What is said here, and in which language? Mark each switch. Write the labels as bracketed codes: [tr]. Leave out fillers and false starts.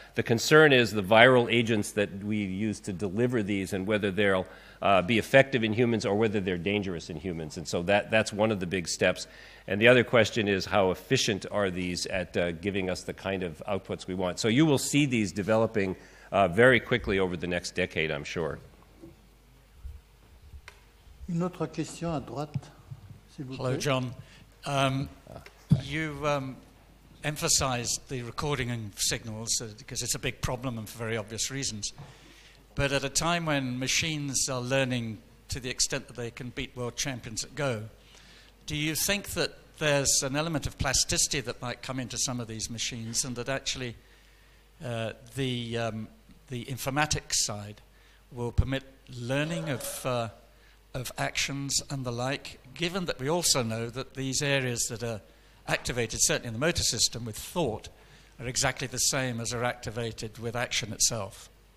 [en] The concern is the viral agents that we use to deliver these and whether they'll be effective in humans or whether they're dangerous in humans. And so that's one of the big steps. And the other question is how efficient are these at giving us the kind of outputs we want. So you will see these developing very quickly over the next decade, I'm sure. [fr] Une autre question à droite, s'il vous plaît. [en] Hello, John. You emphasized the recording of signals because it's a big problem and for very obvious reasons. But at a time when machines are learning to the extent that they can beat world champions at Go, do you think that there's an element of plasticity that might come into some of these machines and that actually the informatics side will permit learning of actions and the like, given that we also know that these areas that are activated, certainly in the motor system, with thought, are exactly the same as are activated with action itself?